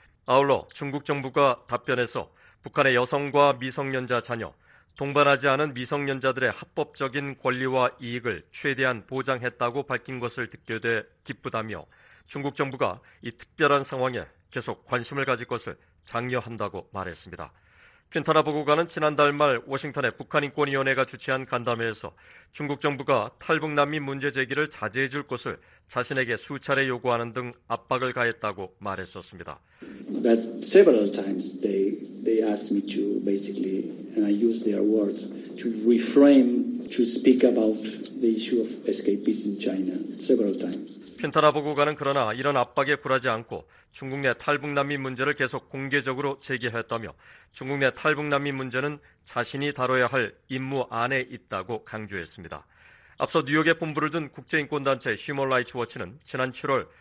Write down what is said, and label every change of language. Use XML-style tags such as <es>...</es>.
<ko>아울러 중국 정부가 답변에서 북한의 여성과 미성년자 자녀, 동반하지 않은 미성년자들의 합법적인 권리와 이익을 최대한 보장했다고 밝힌 것을 듣게 돼 기쁘다며 중국 정부가 이 특별한 상황에 계속 관심을 가질 것을 장려한다고 말했습니다. 퀸타나 보고관은 지난달 말 워싱턴의 북한인권위원회가 주최한 간담회에서 중국 정부가 탈북난민 문제 제기를 자제해 줄 것을 자신에게 수차례 요구하는 등 압박을 가했다고 말했었습니다.</ko> <en>But several times they asked me to basically, and I use their words, to reframe, to speak about the issue of escapees in China several times.</en> <ko>퀸타나 보고관은 그러나 이런 압박에 굴하지 않고 중국 내 탈북난민 문제를 계속 공개적으로 제기했다며 중국 내 탈북난민 문제는 자신이 다뤄야 할 임무 안에 있다고 강조했습니다. 앞서 뉴욕에 본부를 둔 국제인권단체 휴먼 라이츠 워치는 지난 7월</ko>